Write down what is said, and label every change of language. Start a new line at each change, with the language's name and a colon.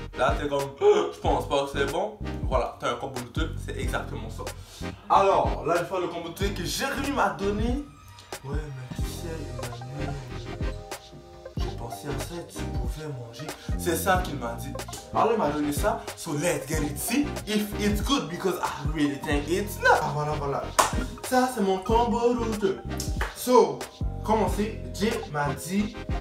French: Là, t'es comme, je pense pas que c'est bon. Voilà, t'as un combo douteux, c'est exactement ça. Alors, là, il faut le combo douteux que Jérémy m'a donné. Ouais, mais tu sais, imaginez. J'ai pensé à ça, tu pouvais manger. C'est ça qu'il m'a dit. Alors, il m'a donné ça.
English: So, let's get it. See if it's good because I really think it's not.
French: Ah, voilà, voilà. Ça, c'est mon combo douteux. So, commencer. Jay m'a dit.